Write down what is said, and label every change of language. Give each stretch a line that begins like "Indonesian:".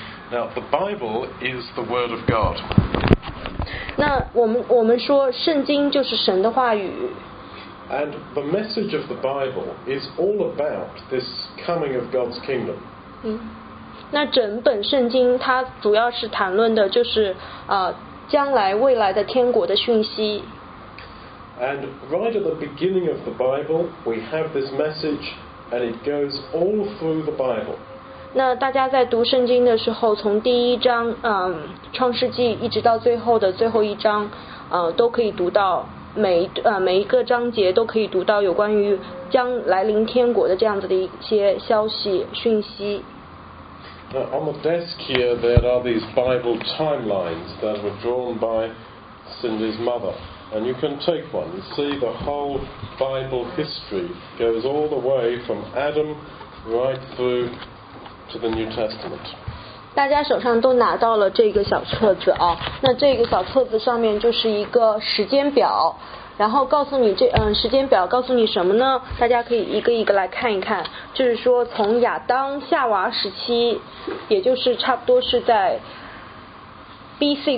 English: Now the Bible is the word of God.
Chinese: 那我们说圣经就是神的话语。
English: And the message of the Bible is all about this coming of God's kingdom.
Chinese: 那整本圣经它主要是谈论的就是将来未来的天国的讯息。
English: And right at the beginning of the Bible, we have this message, and it goes all through the Bible.
Chinese: 那大家在读圣经的时候，从第一章，创世纪一直到最后的最后一章，都可以读到每一个章节都可以读到有关于将来临天国的这样子的一些消息讯息。
English: Now, on the desk here, there are these Bible timelines that were drawn by Cindy's mother. And you can take one. You see the whole Bible history goes all the way from Adam right through to the New Testament.
Chinese: 大家手上都拿到了这个小册子啊。那这个小册子上面就是一个时间表。然后告诉你时间表告诉你什么呢？大家可以一个一个来看一看，就是说从亚当夏娃时期，也就是差不多是在 B.C.